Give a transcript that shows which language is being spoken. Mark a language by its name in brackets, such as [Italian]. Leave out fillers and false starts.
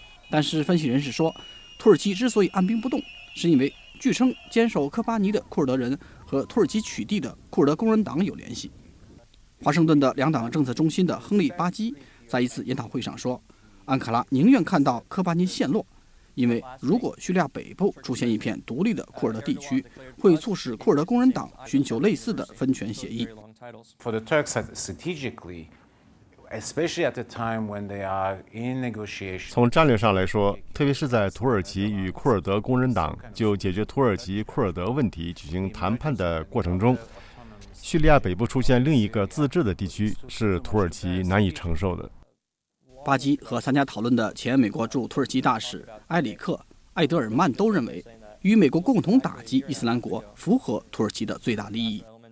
[Chinese] 但是分析人士说，土耳其之所以按兵不动，是因为据称坚守科巴尼的库尔德人和土耳其取缔的库尔德工人党有联系。华盛顿的两党政策中心的亨利·巴基在一次研讨会上说，安卡拉宁愿看到科巴尼陷落，因为如果叙利亚北部出现一片独立的库尔德地区，会促使库尔德工人党寻求类似的分权协议。 [English] For the Turks strategically, especially at the time when they are in negotiation, [Chinese] 从战略上来说，特别是在土耳其与库尔德工人党就解决土耳其库尔德问题举行谈判的过程中，叙利亚北部出现另一个自治的地区是土耳其难以承受的。巴基和参加讨论的前美国驻土耳其大使埃里克·艾德尔曼都认为，与美国共同打击伊斯兰国符合土耳其的最大利益。